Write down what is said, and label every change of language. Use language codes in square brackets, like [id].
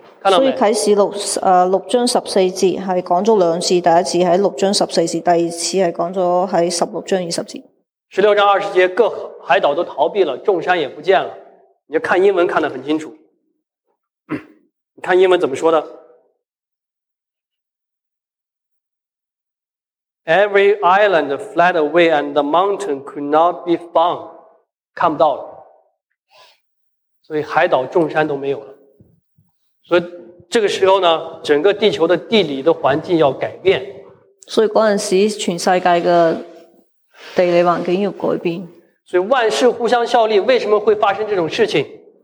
[zh] 所以启示六章十四节是讲了两次，第一次在六章十四节，第二次是讲了在十六章二十节。十六章二十节各海岛都逃避了，众山也不见了。你看英文看得很清楚。看英文怎么说的 [en] ？Every island fled away, and the mountain could not be found. [zh] 看不到了，所以海岛众山都没有了。所以这个时候呢，整个地球的地理的环境要改变。所以关系全世界的地理环境要改变。所以万事互相效力，为什么会发生这种事情？